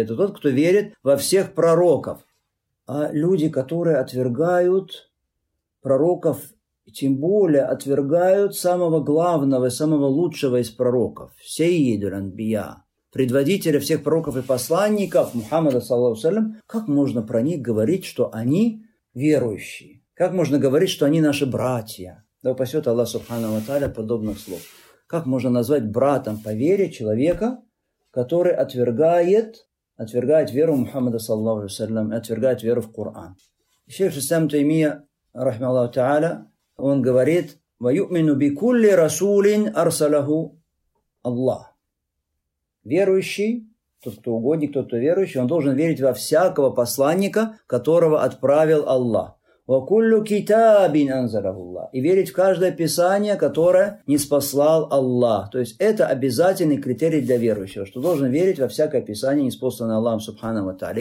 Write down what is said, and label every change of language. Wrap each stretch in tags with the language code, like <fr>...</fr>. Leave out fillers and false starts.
<ru>Это тот, кто верит во всех пророков. А люди, которые отвергают пророков, тем более отвергают самого главного, самого лучшего из пророков, Сейидуль Анбия, предводителя всех пророков и посланников Мухаммада, саллаллаху алейхи ва саллям, как можно про них говорить, что они верующие? Как можно говорить, что они наши братья? Да упасет Аллах, субхана ва тааля, подобных слов. Как можно назвать братом по вере человека, который отвергает веру Мухаммада, саллаллаху алейхи ва саллям, отвергает веру в Коран? Шейх Ислам Таймия,</ru> <ar>رحمه الله تعالى,</ar> <ru>он говорит:</ru> <ar>ويؤمن بكل رسول أرسله الله.</ar> <ru>Верующий, тот, кто угодник, тот, кто верующий, он должен верить во всякого посланника, которого отправил Аллах.</ru> <ar>وكل كتاب أنزله الله.</ar> <ru>И верить в каждое писание, которое ниспослал Аллах. То есть это обязательный критерий для верующего, что должен верить во всякое писание, ниспосланное Аллахом, субхана ва тааля.</ru>